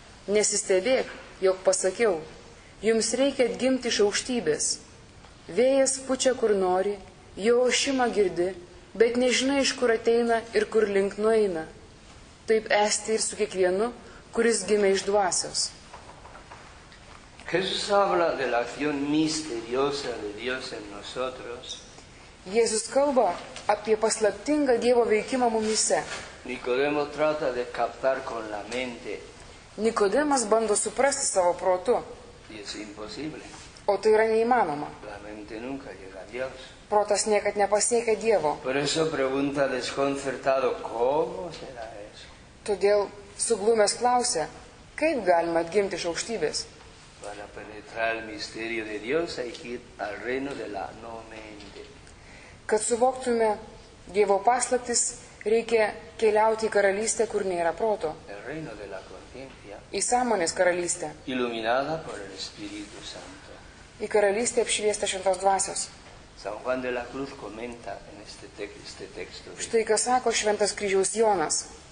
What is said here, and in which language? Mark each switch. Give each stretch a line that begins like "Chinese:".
Lithuanian: Nesistebėk, jog pasakiau, jums reikia atgimti iš aukštybės. Vėjas pučia kur nori, jo ošimą girdi, bet nežinai, iš kur ateina ir kur link nueina. Taip esti ir su kiekvienu, kuris gimė iš dvasios.
Spanish: Jesus habla de la acción misteriosa de Dios en nosotros.
Lithuanian: Jėzus kalba apie paslaptingą Dievo veikimą mumyse.
Spanish: Nicodemo trata de captar con la mente.
Lithuanian: Nikodemas bando suprasti savo protu.
Spanish: Es imposible.
Lithuanian: O tai yra neįmanoma.
Spanish: La mente nunca llega a Dios.
Lithuanian: Protas niekad nepasiekia Dievo.
Spanish: Por eso pregunta desconcertado, ¿cómo será eso?
Lithuanian: Todėl suglumęs klausia, kaip galima atgimti iš aukštybės?
Spanish: Para penetrar el misterio de Dios hay que ir al reino de la no mente.
Lithuanian: Kad suvoktume Dievo paslaptis, reikia keliauti į karalystę, kur nėra proto.
Spanish: El reino de la conciencia.
Lithuanian: Į sąmonės karalystę.
Spanish: Iluminada por el Espíritu Santo.
Lithuanian: Į karalystę apšviesta šventos dvasios.
Spanish: San Juan de la Cruz comenta en este texto.
Lithuanian: Štai ką sako šventas kryžiaus Jonas.